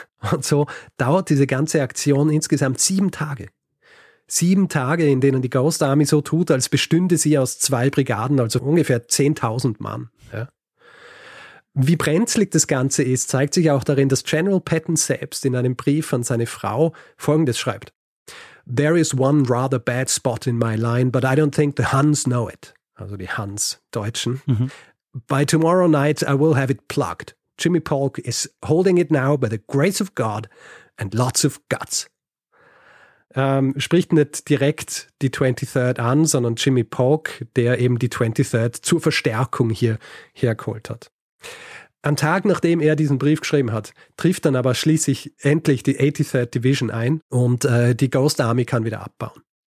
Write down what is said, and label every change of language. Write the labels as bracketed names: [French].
[German] Und so dauert diese ganze Aktion insgesamt 7 Tage. 7 Tage, in denen die Ghost Army so tut, als bestünde sie aus 2 Brigaden, also ungefähr 10.000 Mann. Ja. Wie brenzlig das Ganze ist, zeigt sich auch darin, dass General Patton selbst in einem Brief an seine Frau Folgendes schreibt. [English] There is one rather bad spot in my line, but I don't think the Huns know it. [German] Also die Hans Deutschen. Mhm. [English] By tomorrow night I will have it plugged. Jimmy Polk is holding it now by the grace of God and lots of guts. [German] Spricht nicht direkt die 23rd an, sondern Jimmy Polk, der eben die 23rd zur Verstärkung hier hergeholt hat. Am Tag, nachdem er diesen Brief geschrieben hat, trifft dann aber schließlich endlich die 83rd Division ein und die Ghost Army kann wieder abbauen.